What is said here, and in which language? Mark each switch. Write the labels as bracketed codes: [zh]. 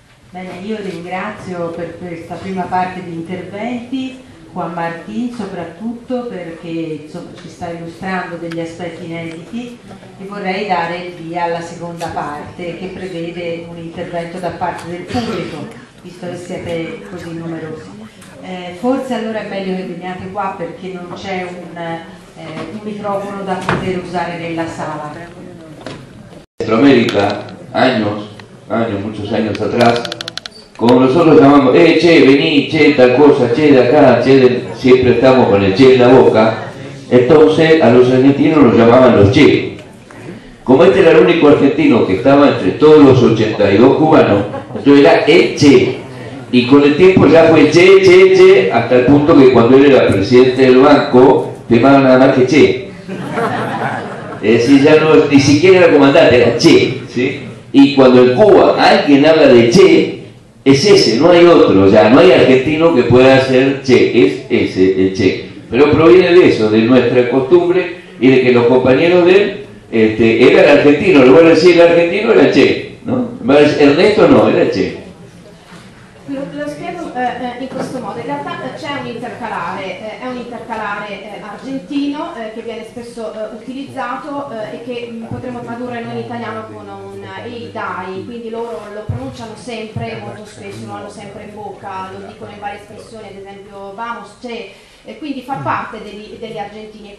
[it] Bene, io ringrazio per questa prima parte di interventi Juan Martín, soprattutto perché insomma, ci sta illustrando degli aspetti inediti, e vorrei dare il via alla seconda parte, che prevede un intervento da parte del pubblico, visto che siete così numerosi. Forse allora è meglio che veniate qua, perché non c'è un microfono da poter usare nella sala. [es] Centroamérica, años, muchos años atrás, como nosotros llamamos, che, vení, che, tal cosa, che, de acá, che, siempre estamos con el che en la boca, entonces a los argentinos los llamaban los che. Como este era el único argentino que estaba entre todos los 82 cubanos, entonces era che. Y con el tiempo ya fue che, hasta el punto que cuando él era presidente del banco, firmaba nada más que che. Es decir, ya no, ni siquiera era comandante, era che. ¿Sí? Y cuando en Cuba alguien habla de che, es ese, no hay otro, o sea, no hay argentino que pueda ser Che, es ese el Che. Pero proviene de eso, de nuestra costumbre y de que los compañeros de él eran argentinos, lo van a decir el argentino era Che, ¿no? Ernesto no, era Che. [it] In questo modo, in realtà c'è un intercalare, è un intercalare argentino che viene spesso utilizzato e che potremmo tradurre noi in italiano con un ei dai, quindi loro lo pronunciano sempre, molto spesso, lo hanno sempre in bocca, lo dicono in varie espressioni, ad esempio vamos, c'è, e quindi fa parte degli argentini.